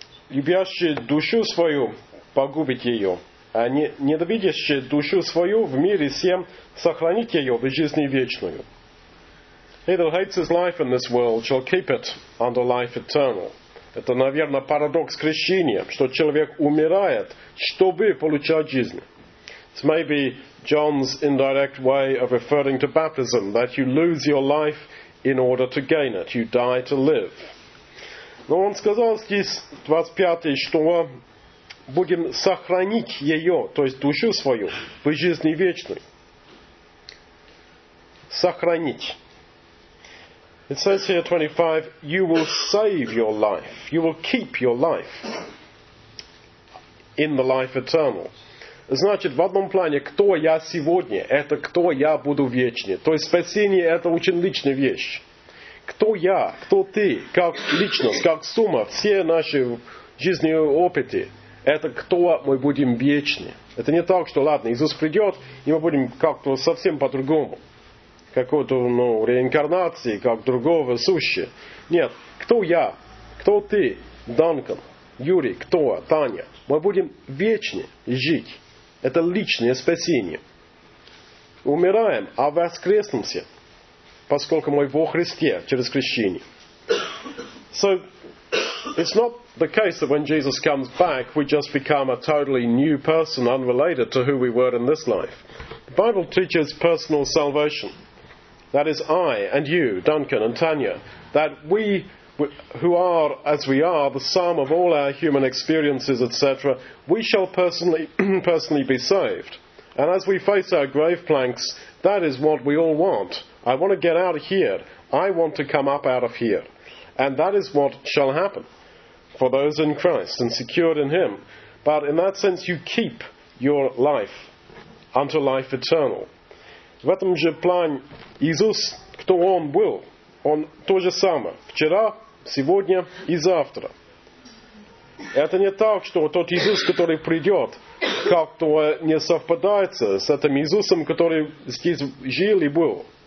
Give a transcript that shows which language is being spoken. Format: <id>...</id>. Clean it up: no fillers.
<ru>Любящий душу свою погубит ее, а недовидящий душу свою в мире сем сохранит ее в жизни вечную.</ru> <en>He that hates his life in this world shall keep it unto life eternal.</en> <ru>Это, наверное, парадокс крещения, что человек умирает, чтобы получать жизнь.</ru> <en>It's maybe John's indirect way of referring to baptism, that you lose your life in order to gain it. You die to live.</en> <ru>Но он сказал здесь, 25-й, что будем сохранить ее, то есть душу свою, в жизни вечной. Сохранить.</ru> <en>It says here, 25, you will save your life. You will keep your life. in the life eternal.</en> <ru>Значит, в одном плане, кто я сегодня, это кто я буду вечнее. То есть спасение это очень личная вещь. Кто я, кто ты, как личность, как сумма, все наши жизненные опыты, это кто мы будем вечнее. Это не так, что ладно, Иисус придет, и мы будем как-то совсем по-другому. Какой-то реинкарнации, как другого суще. Нет, кто я, кто ты, Данкан, Юрий, кто, Таня. Мы будем вечно жить. Это личное спасение. Умираем, а воскреснемся, поскольку мы во Христе через крещение.</ru> <en>So, it's not the case that when Jesus comes back, we just become a totally new person, unrelated to who we were in this life. The Bible teaches personal salvation. That is I and you, Duncan and Tanya, that we who are as we are, the sum of all our human experiences, etc., we shall personally be saved. And as we face our grave planks, that is what we all want. I want to get out of here. I want to come up out of here. And that is what shall happen for those in Christ and secured in Him. But in that sense, you keep your life unto life eternal.</en> <ru>В этом же плане Иисус, кто Он был, Он то же самое. Вчера, сегодня и завтра. Это не так, что тот Иисус, который придет, как-то не совпадается с этим Иисусом, который здесь жил и был.</ru>